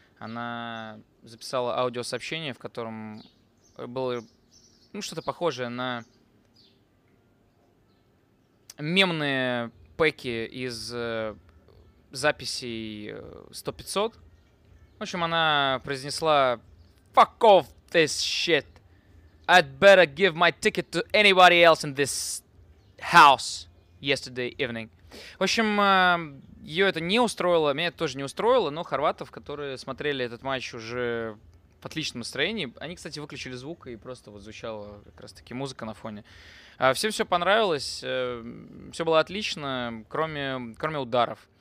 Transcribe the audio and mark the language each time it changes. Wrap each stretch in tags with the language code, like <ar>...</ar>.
<ru>Она записала аудиосообщение, в котором было что-то похожее на... мемные пэки из записей 100-500. В общем, она произнесла</ru> <en>«Fuck off this shit! I'd better give my ticket to anybody else in this house yesterday evening».</en> <ru>В общем, ее это не устроило, меня это тоже не устроило, но хорватов, которые смотрели этот матч уже в отличном настроении, они, кстати, выключили звук, и просто вот звучала как раз-таки музыка на фоне. Всем все понравилось, все было отлично, кроме ударов.</ru>